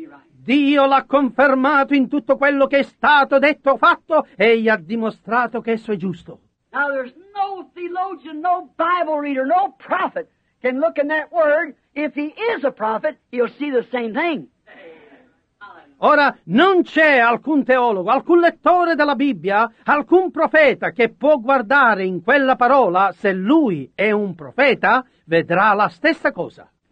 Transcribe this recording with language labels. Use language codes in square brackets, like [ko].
[it] Dio l'ha confermato in tutto quello che è stato detto o fatto e gli ha dimostrato che esso è giusto. [en] Now there's no theologian, no Bible reader, no prophet can look in that word. If he is a prophet, he'll see the same thing. [it] Ora, non c'è alcun teologo, alcun lettore della Bibbia, alcun profeta che può guardare in quella parola, se lui è un profeta, vedrà la stessa cosa.